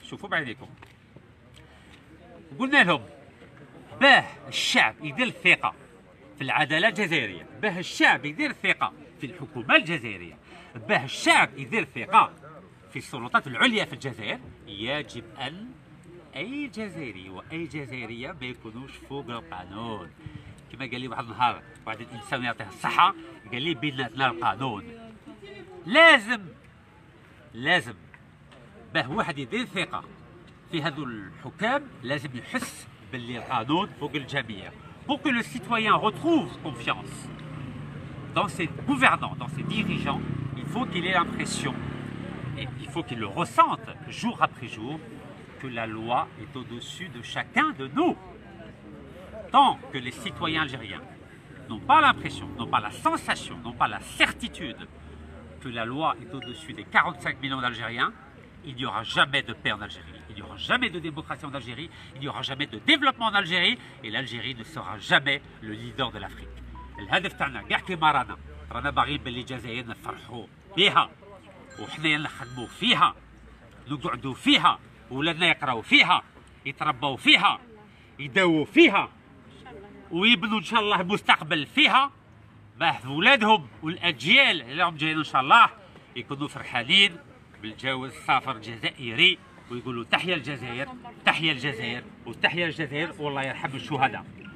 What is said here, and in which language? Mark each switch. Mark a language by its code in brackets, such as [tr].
[ar] شوفوا بعينيكم قلنا لهم باه الشعب يدير الثقه في العداله الجزائريه، باه الشعب يدير الثقه في الحكومه الجزائريه، باه الشعب يدير الثقه في السلطات العليا في الجزائر، يجب ان اي جزائري واي جزائريه ما يكونوش فوق القانون. كما قال لي واحد النهار واحد الانسان يعطيه الصحه قال لي بيناتنا القانون، لازم باه واحد يدير ثقة في هذو الحكام لازم يحس باللي القانون فوق الجميع. [fr] pour que le citoyen retrouve confiance dans ses gouvernants dans ses dirigeants il faut qu'il ait l'impression et il faut qu'il le ressente jour après jour que la loi est au-dessus de chacun de nous. tant que les citoyens algériens n'ont pas l'impression n'ont pas la sensation n'ont pas la certitude que la loi est au-dessus des 45 millions d'Algériens, il n'y aura jamais de paix en Algérie, il n'y aura jamais de démocratie en Algérie, il n'y aura jamais de développement en Algérie, et l'Algérie ne sera jamais le leader de l'Afrique. L'objectif de notre pays, c'est que les Algériens soient heureux. [ar] وحنايا نخدموا فيها، نقعدوا فيها، ولادنا يقراو فيها، يترباو فيها، يداووا فيها، ويبنوا ان شاء الله مستقبل فيها، باه ولادهم والاجيال اللي راهم جايين ان شاء الله يكونوا فرحانين بالجواز السفر الجزائري، ويقولوا تحيا الجزائر، تحيا الجزائر، وتحيا الجزائر، والله يرحم الشهداء.